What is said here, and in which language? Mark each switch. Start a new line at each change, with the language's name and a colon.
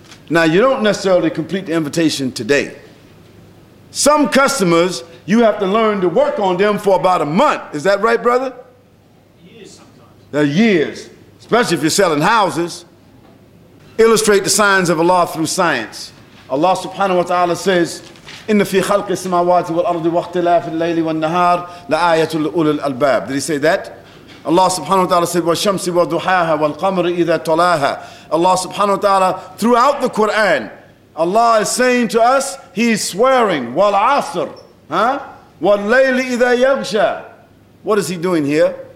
English: Now, you don't necessarily complete the invitation today. Some customers, you have to learn to work on them for about a month. Is that right, brother? Years, especially if you're selling houses. Illustrate the signs of Allah through science. Allah subhanahu wa ta'ala says,
Arabic: إِنَّ فِي خَلْقِ السَّمَاوَاتِ وَالْأَرْضِ وَاخْتِلَافِ اللَّيْلِ وَالنَّهَارِ لَآيَةُ لِأُولِي الْأَلْبَابِ.
English: Did he say that? Allah subhanahu wa ta'ala said,
Arabic: وَالشَّمْسِ وَضُحَاهَا وَالْقَمْرِ إِذَا تَلَاهَا.
English: Allah subhanahu wa ta'ala, throughout the Quran, Allah is saying to us, He's swearing, وَالْعَصْر, huh?
Arabic: وَاللَّيْلِ إِذَا يَغْشَى.
English: What is he doing here?